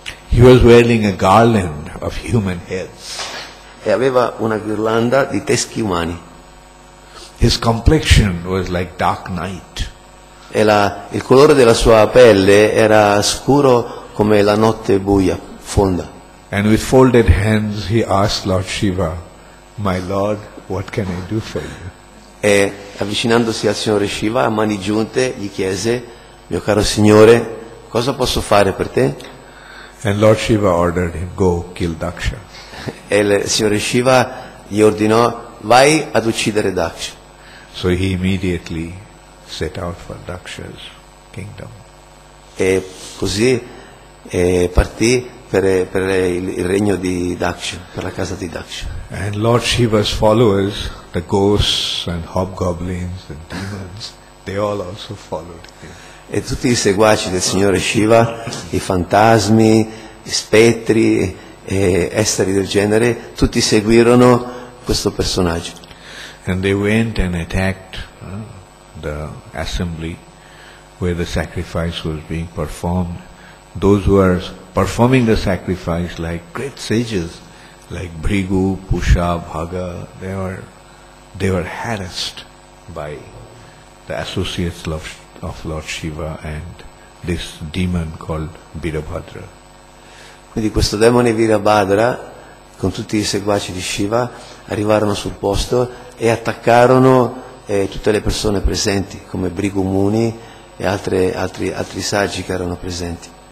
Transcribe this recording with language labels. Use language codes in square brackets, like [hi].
[en] He was wearing a garland of human heads. [it] E aveva una ghirlanda di teschi umani. [en] His complexion was like dark night. [it] E il colore della sua pelle era scuro come la notte buia, fonda. [en] And with folded hands he asked Lord Shiva, "My Lord, what can I do for you?" [it] E avvicinandosi al Signore Shiva a mani giunte gli chiese, "Mio caro Signore, cosa posso fare per te?" [en] And Lord Shiva ordered him, "Go kill Daksha." [it] E il Signore Shiva gli ordinò, "Vai ad uccidere Daksha." [en] So he immediately set out for Daksha's kingdom. [it] E così partì per il regno di Daksha, per la casa di Daksha. [en] And Lord Shiva's followers, the ghosts and hobgoblins and demons, they all also followed him. [it] E tutti i seguaci del signore Shiva, i fantasmi, i spettri e esseri del genere, tutti seguirono questo personaggio. [en] And they went and attacked the assembly where the sacrifice was being performed. Those who were performing the sacrifice, like great sages, like Bhrigu, Pusha, Bhaga, they were harassed by the associates of Lord Shiva and this demon called Virabhadra. [it] Quindi questo demone Virabhadra, con tutti i seguaci di Shiva, arrivarono sul posto e attaccarono tutte le persone presenti, come Bhrigu Muni e altri saggi che erano presenti.